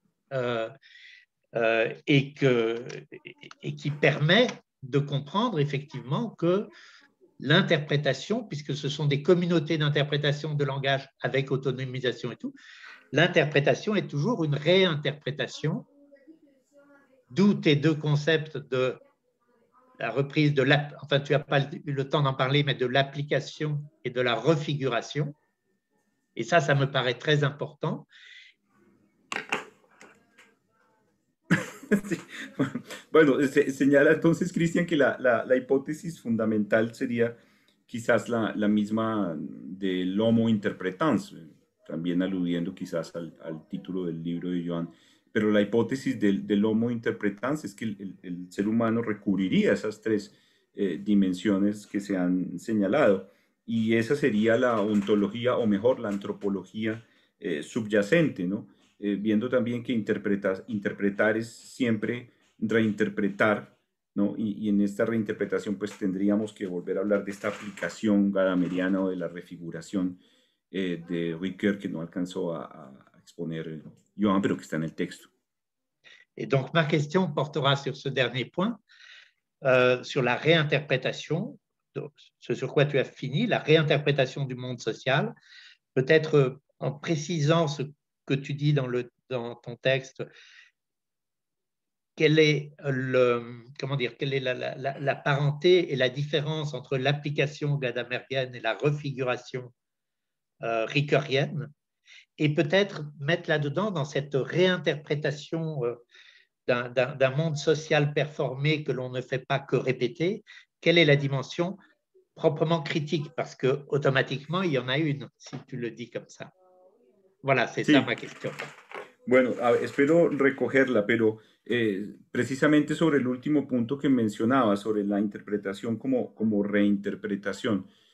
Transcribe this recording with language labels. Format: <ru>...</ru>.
<fr>et qui permet de comprendre effectivement que l'interprétation, puisque ce sont des communautés d'interprétation de langage avec autonomisation et tout, l'interprétation est toujours une réinterprétation, d'où tes deux concepts de la reprise de enfin tu n'as pas eu le temps d'en parler, mais de l'application et de la refiguration. Et ça, ça me paraît très important.</fr> <es>Sí. Bueno, señala entonces, Cristian, que la hipótesis fundamental sería quizás la misma del homo interpretans, también aludiendo quizás al título del libro de Joan, pero la hipótesis del homo interpretans es que el ser humano recurriría a esas tres dimensiones que se han señalado, y esa sería la ontología, o mejor, la antropología subyacente, ¿no? Viendo también que interpretar es siempre reinterpretar, ¿no? Y en esta reinterpretación pues tendríamos que volver a hablar de esta aplicación gadameriana o de la refiguración de Ricoeur que no alcanzó a exponer Joan, pero que está en el texto.</es> <fr>Y donc ma question portera sur ce dernier point, sur la réinterprétation, ce sur quoi tu as fini, la réinterprétation du monde social, peut-être en précisant ce que tu dis dans ton texte, quelle est la parenté et la différence entre l'application gadamérienne et la refiguration ricœurienne, et peut-être mettre là-dedans, dans cette réinterprétation d'un monde social performé que l'on ne fait pas que répéter, quelle est la dimension proprement critique, parce que automatiquement il y en a une, si tu le dis comme ça. Voilà, c'est sí. Ça ma question.</fr> <es>Bueno, espero recogerla, pero precisamente sobre el último punto que mencionaba, sobre la interpretación como reinterpretación.</es>